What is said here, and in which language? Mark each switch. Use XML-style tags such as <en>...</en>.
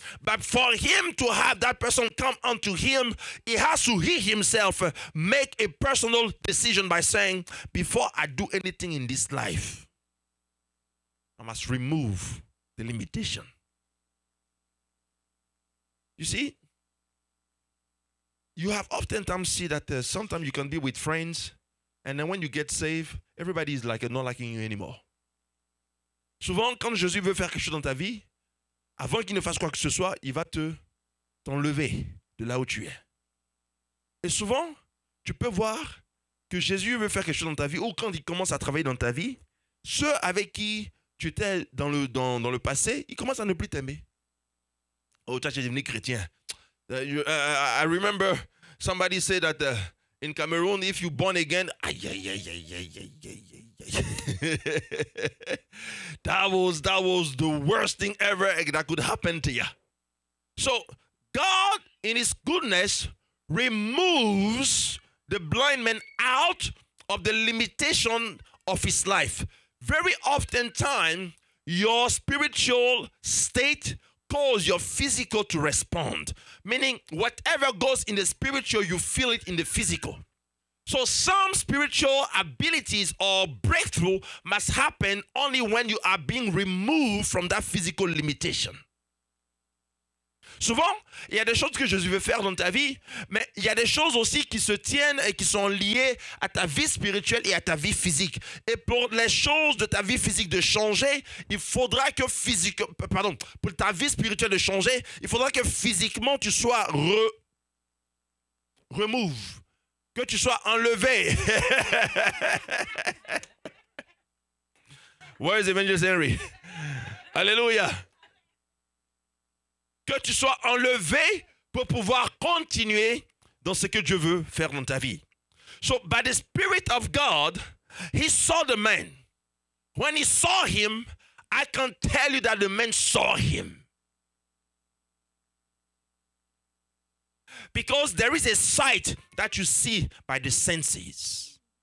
<en>But for him to have that person come unto him, he has to he himself make a personal decision by saying, before I do anything in this life, I must remove the limitation. You see? You have oftentimes see that sometimes you can be with friends, and then when you get saved, everybody is like not liking you anymore.</en> <fr>Souvent, quand Jésus veut faire quelque chose dans ta vie, avant qu'il ne fasse quoi que ce soit, il va t'enlever de là où tu es. Et souvent, tu peux voir que Jésus veut faire quelque chose dans ta vie, ou quand il commence à travailler dans ta vie, ceux avec qui tu étais dans le passé, ils commencent à ne plus t'aimer. Oh, toi, tu es devenu chrétien.</fr> <en>I remember somebody said that in Cameroon, if you're born again, that was the worst thing ever that could happen to you. So God, in his goodness, removes the blind man out of the limitation of his life. Very often time, your spiritual state cause your physical to respond. Meaning, whatever goes in the spiritual, you feel it in the physical. So some spiritual abilities or breakthrough must happen only when you are being removed from that physical limitation.</en> <fr>Souvent, il y a des choses que Jésus veut faire dans ta vie, mais il y a des choses aussi qui se tiennent et qui sont liées à ta vie spirituelle et à ta vie physique. Et pour les choses de ta vie physique de changer, il faudra que pour ta vie spirituelle de changer, il faudra que physiquement tu sois remove, que tu sois enlevé.</fr> <en>Where is Evangelist Henry? Alléluia.</en> <fr>Que tu sois enlevé pour pouvoir continuer dans ce que Dieu veut faire dans ta vie.</fr> <en>So by the Spirit of God, he saw the man. When he saw him, I can tell you that the man saw him. Because there is a sight that you see by the senses.</en>